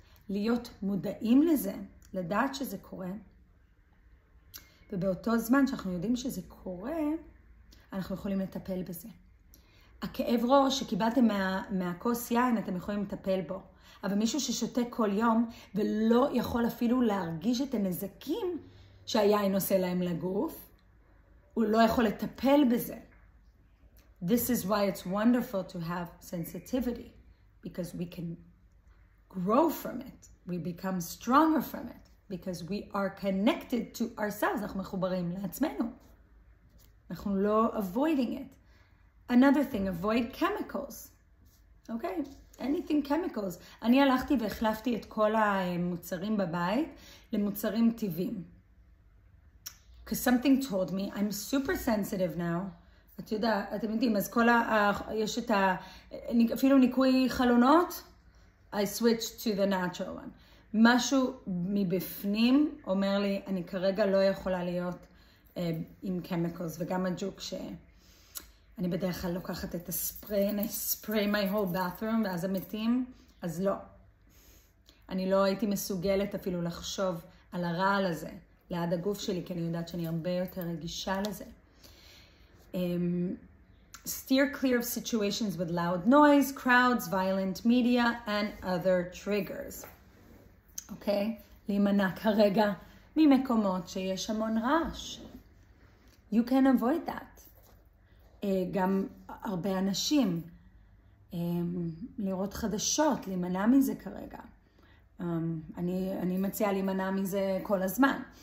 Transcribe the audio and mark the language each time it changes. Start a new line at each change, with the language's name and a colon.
Hebrew: להיות מודעים לזה, לדעת שזה קורה. ובאותו זמן שאנחנו יודעים שזה קורה, אנחנו יכולים לטפל בזה. הכאב ראש שקיבלתם מהכוס יין, אתם יכולים לטפל בו. אבל מישהו ששותה כל יום ולא יכול אפילו להרגיש את הנזקים שהיין עושה להם לגוף, הוא לא יכול לטפל בזה.
English: This is why it's wonderful to have sensitivity, because we can grow from it. We become stronger from it, because we are connected to ourselves.
Hebrew: אנחנו מחוברים לעצמנו. אנחנו לא
English: avoiding it. Another thing, avoid chemicals. Okay, anything chemicals.
Hebrew: אני הלכתי והחלפתי את כל המוצרים בבית למוצרים טבעיים.
English: Because something told me, I'm super sensitive now.
Hebrew: את יודעת, אתם יודעים, אז כל ה... יש את ה... אפילו ניקוי חלונות,
English: I switch to the natural one.
Hebrew: משהו מבפנים אומר לי, אני כרגע לא יכולה להיות עם chemicals, וגם הג'וק שאני בדרך כלל לוקחת את הספרי,
English: and I spray my whole bathroom,
Hebrew: ואז הם מתים, אז לא. אני לא הייתי מסוגלת אפילו לחשוב על הרעל הזה, ליד הגוף שלי, כי אני יודעת שאני הרבה יותר רגישה לזה.
English: Steer clear of situations with loud noise, crowds, violent media, and other triggers. Okay?
Hebrew: להימנע כרגע ממקומות שיש המון רעש.
English: You can avoid that.
Hebrew: גם הרבה אנשים. לראות חדשות, להימנע מזה כרגע. אני מציעה להימנע מזה כל הזמן.